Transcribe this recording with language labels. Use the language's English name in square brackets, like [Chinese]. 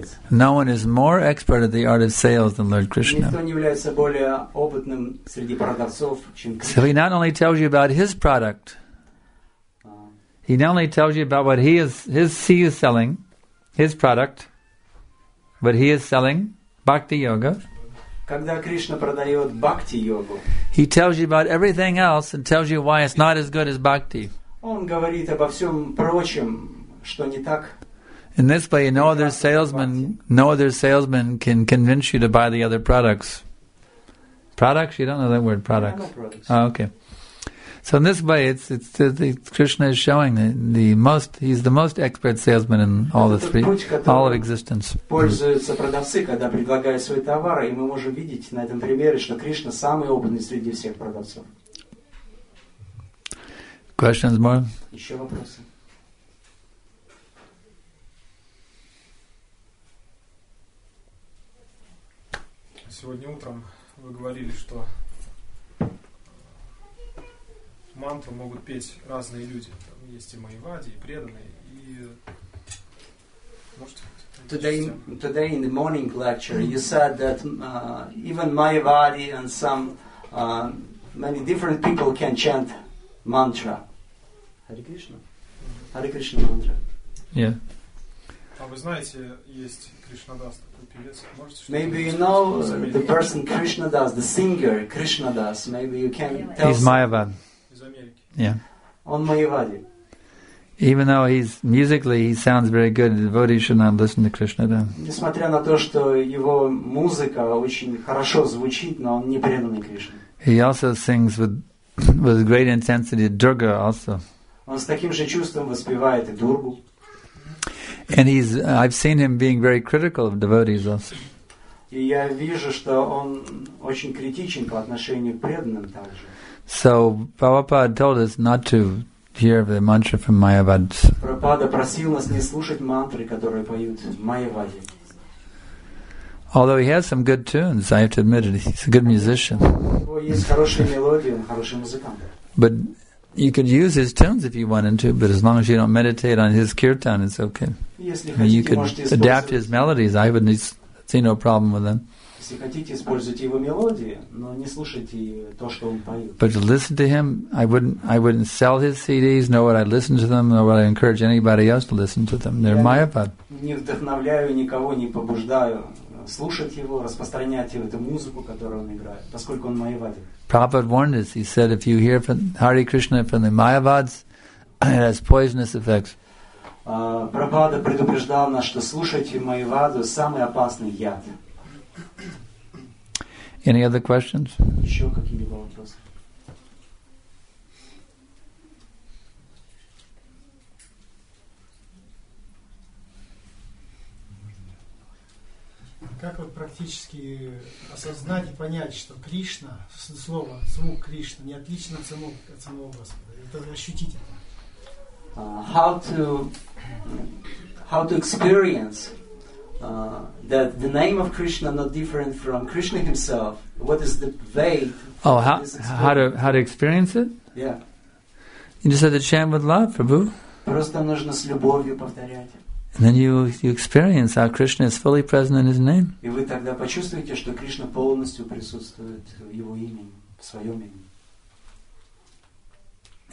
[English] No one is more expert at the art of sales than Lord Krishna. So he not only tells you about his product, he not only tells you about what he is selling, bhakti yoga. [Russian] Когда Кришна продает бхакти-йогу, [English] he tells you about everything else and tells you why it's not as good as bhakti. [Russian] Он говорит обо всем прочем, что не так. [English] In this way, no other salesman can convince you to buy the other products. Products? You don't know that word, products. Products. Oh, okay. So in this way, it's Krishna is showing he's the most expert salesman in all the three, all of existence. [Russian] Пользуются продавцы, когда предлагают свои товары, и мы можем видеть на этом примере, что Кришна самый опытный среди всех продавцов. [English] Questions more? [Russian] Еще вопросы? Сегодня утром вы говорили, что мантру могут петь разные люди. Там есть и майвади, и преданные, и [English] Today in the morning lecture you said that even майвади and some many different people can chant mantra. Hare Krishna. Mm-hmm. Hare Krishna mantra. Yeah. [Russian] А вы знаете, есть Кришнадас такой певец. [English] Maybe you know the person Krishnadas, the singer Krishnadas. Maybe you can tell. He's Mayavan. Yeah. Even though he's musically, he sounds very good. The devotee should not listen to Krishna then. [Russian] Несмотря на то, что его музыка очень хорошо звучит, но он не преданный Кришне. [English] He also sings with great intensity Durga also. [Russian] Он с таким же чувством воспевает и Дургу. [English] And I've seen him being very critical of devotees also. [Russian] И я вижу, что он очень критичен по отношению к преданным также. [English] So Prabhupada told us not to hear the mantra from Mayavads. [Russian] Prabhupada просил нас не слушать мантры, которые поют майявади. [English] Although he has some good tunes, I have to admit it, he's a good musician. [Russian] Есть хорошие мелодии, он хороший музыкант. [English] But you could use his tunes if you wanted to, but as long as you don't meditate on his kirtan, it's okay. You could adapt his melodies, I would see no problem with them. [Russian] Если хотите, используйте его мелодии, но не слушайте то, что он поет. [English] But to listen to him, I wouldn't sell his CDs, nor would I listen to them, nor would I encourage anybody else to listen to them. They're Mayapad. [Russian] Не вдохновляю никого, не побуждаю слушать его, распространять эту музыку, которую он играет, поскольку он Mayavadi. [English] Prabhupada warned us. He said, if you hear from Hare Krishna from the Mayavads, it has poisonous effects. [Russian] Prabhupada предупреждал нас, что слушать Mayavadu – самый опасный яд. [English] Any other questions? [Russian] Еще какие-либо вопросы? Как вот практически осознать и понять, что Кришна, слово, звук Кришна, не отлично от самого Господа? Это ощутить это. [English] How to experience that the name of Krishna not different from Krishna himself. What is the way? How to experience it? Yeah. You just have to chant with love, Prabhu. [Russian] Просто нужно с любовью повторять. [English] then you experience how Krishna is fully present in His name. [Russian] И вы тогда почувствуете, что Кришна полностью присутствует в Его имени, в своем имени.